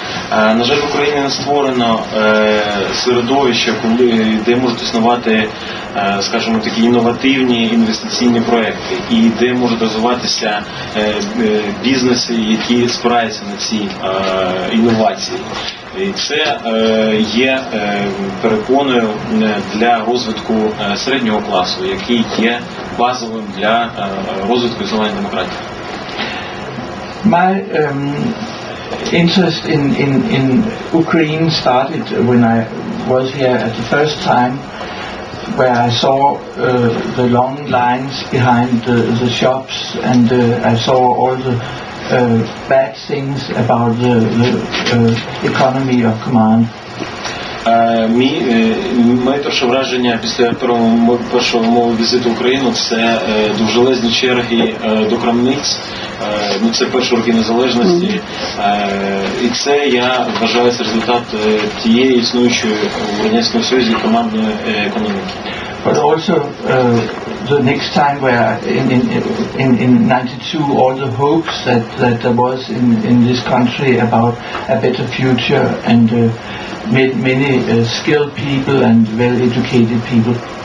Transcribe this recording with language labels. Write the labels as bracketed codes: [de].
[uk] На жаль, в Україні не створено середовище, коли де можуть існувати, скажімо, такі інновативні інвестиційні проекти, і де можуть розвиватися бізнеси, які спираються на ці інновації. І це є переконою для розвитку середнього класу, який є базовим для розвитку зеленої демократії. [en] My interest in Ukraine started when I was here at the first time, where I saw the long lines behind the shops, and I saw all the bad things about the economy of command. [uk] Моє перше враження після першого мого візиту в Україну – це довжелезні черги до крамниць, ну, це перші роки незалежності, і це, я вважаю, це результат тієї існуючої в Радянському Союзі командної економіки. [en] But also the next time where in 92 all the hopes that there was in this country about a better future and many skilled people and well educated people.